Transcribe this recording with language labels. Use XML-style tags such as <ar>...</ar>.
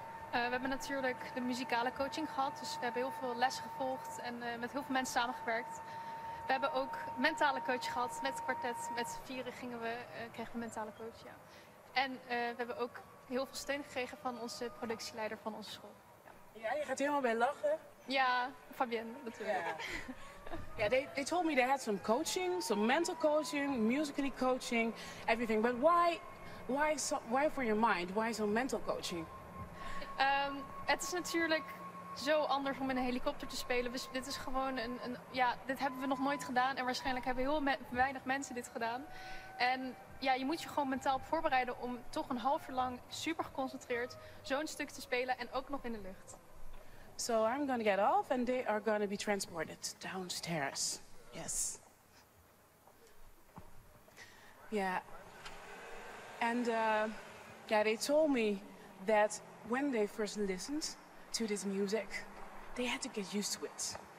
<nl>We hebben natuurlijk de muzikale coaching gehad. Dus we hebben heel veel les gevolgd en met heel veel mensen samengewerkt. We hebben ook mentale coach gehad met het kwartet. Met z'n vieren kregen we een mentale coach, ja. En we hebben ook heel veel steun gekregen van onze productieleider van onze school. Ja, je gaat helemaal bij lachen. Ja, Fabienne natuurlijk. Ja.</nl> <en>Yeah, they told me they had some coaching, some mental coaching, musically coaching, everything. But why for your mind? Why some mental coaching?</en> <nl>Het is natuurlijk zo anders om in een helikopter te spelen. Dus dit is gewoon dit hebben we nog nooit gedaan. En waarschijnlijk hebben heel weinig mensen dit gedaan. En ja, je moet je gewoon mentaal voorbereiden om toch een half uur lang super geconcentreerd zo'n stuk te spelen en ook nog in de lucht.</nl> <en>So I'm gonna get off and they are gonna be transported downstairs. Yes. Yeah. And they told me that when they first listened to this music, they had to get used to it.</en>